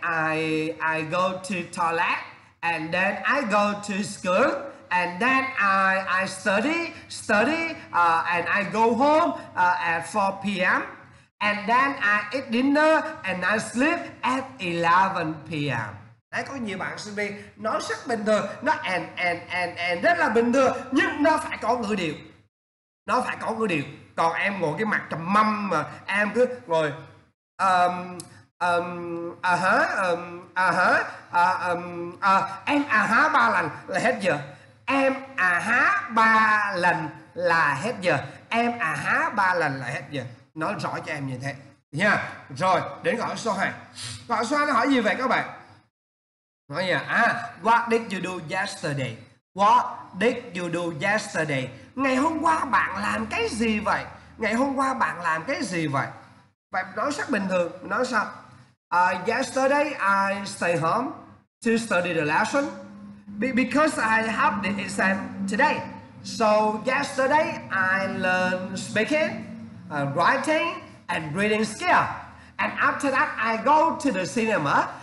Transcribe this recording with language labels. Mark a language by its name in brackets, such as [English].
[English] I go to toilet and then I go to school and then I study and I go home at 4 p.m. and then I eat dinner and I sleep at 11 p.m. [Vietnamese] Đấy, có nhiều bạn sinh viên nói rất bình thường, nó and rất là bình thường, nhưng nó phải có ngữ điệu. Nó phải có ngữ điệu. Còn em ngồi cái mặt trầm mâm mà em cứ ngồi em à há ba lần là hết giờ. Em à há ba lần là hết giờ. Em à há ba lần là hết giờ. Nói rõ cho em như thế nha. Rồi, đến câu hỏi số 2. Câu hỏi số 2 nó hỏi gì vậy các bạn? Nói nha. [English] What did you do yesterday? What did you do yesterday? [Vietnamese] Ngày hôm qua bạn làm cái gì vậy? Ngày hôm qua bạn làm cái gì vậy? Vậy nói rất bình thường. Nói sao? [English] Yesterday I stay home to study the lesson because I have the exam today. So yesterday I learned speaking, writing and reading skill. And after that I go to the cinema.